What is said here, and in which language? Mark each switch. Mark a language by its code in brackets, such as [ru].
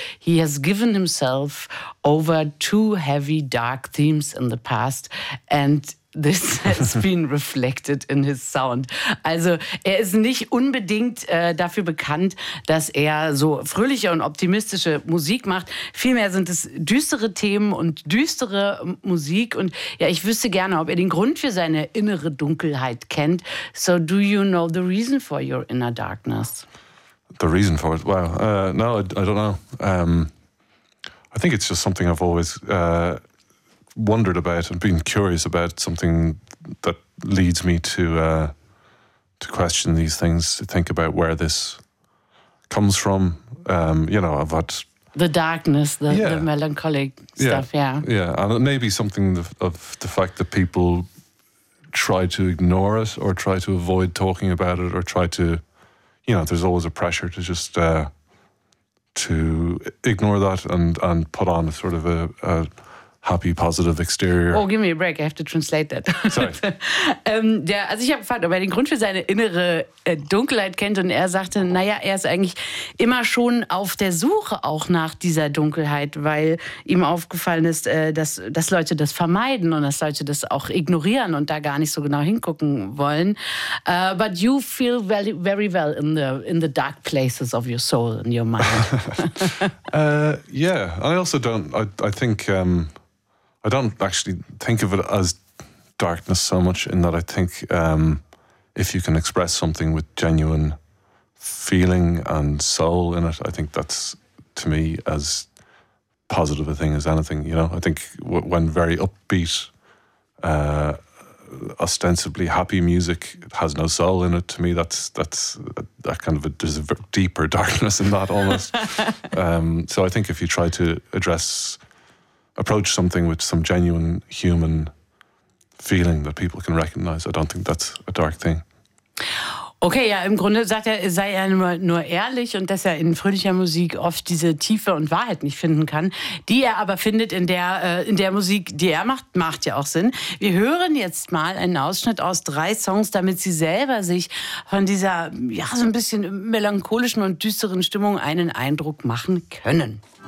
[en] He has given himself over two heavy dark themes in the past, and this has been reflected in his sound. [de] Also er ist nicht unbedingt dafür bekannt, dass er so fröhliche und optimistische Musik macht. Vielmehr sind es düstere Themen und düstere Musik. Und ja, ich wüsste gerne, ob er den Grund für seine innere Dunkelheit kennt. [en] So do you know the reason for your inner darkness? The reason for it? Wow. No, I don't know. I think it's just something I've always... wondered about and been curious about, something that leads me to question these things, to think about where this comes from. You know, I've had the darkness, the melancholic stuff. Yeah. And maybe something of the fact that people try to ignore it or try to avoid talking about it or try to, you know, there's always a pressure to just to ignore that and put on a sort of a happy, positive exterior. Oh, give me a break, I have to translate that. Sorry. [de] also ich habe gefragt, ob er den Grund für seine innere Dunkelheit kennt, und er sagte, naja, er ist eigentlich immer schon auf der Suche auch nach dieser Dunkelheit, weil ihm aufgefallen ist, dass Leute das vermeiden und dass Leute das auch ignorieren und da gar nicht so genau hingucken wollen. [en] But you feel very, very well in the dark places of your soul, in your mind. yeah, I also don't, I think... I don't actually think of it as darkness so much, in that I think if you can express something with genuine feeling and soul in it, I think that's, to me, as positive a thing as anything. You know, I think when very upbeat, ostensibly happy music has no soul in it, to me, that's kind of a, there's a deeper darkness in that almost. so I think if you try to approach something with some genuine human feeling that people can recognize, I don't think that's a dark thing. [de] Okay, ja, im Grunde sagt er, sei er nur ehrlich, und dass er in fröhlicher Musik oft diese Tiefe und Wahrheit nicht finden kann, die er aber findet in der Musik, die er macht, macht ja auch Sinn. Wir hören jetzt mal einen Ausschnitt aus 3 Songs, damit Sie selber sich von dieser, ja, so ein bisschen melancholischen und düsteren Stimmung einen Eindruck machen können.